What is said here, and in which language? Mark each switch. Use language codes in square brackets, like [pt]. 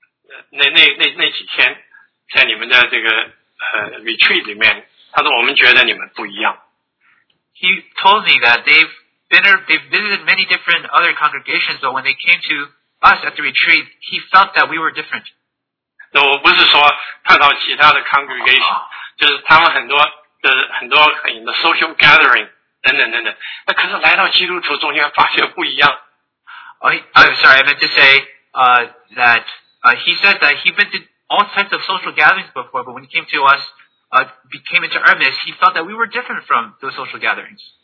[zh] 他说我们去过很多地方，但是我们来到那几天。在你们的这个retreat里面，他说我们觉得你们不一样。 [en] He told me that they've visited many different other congregations, but when they came to us at the retreat, he felt that we were different. [zh] 我不是说看到其他的 congregation， 就是他们很多的 social gathering 等等等等，那可是来到基督徒中间发现不一样。 [en] I meant to say that he said that he went to all types of social gatherings before, but when he came to us, became into Hermes, he felt that we were different from those social gatherings.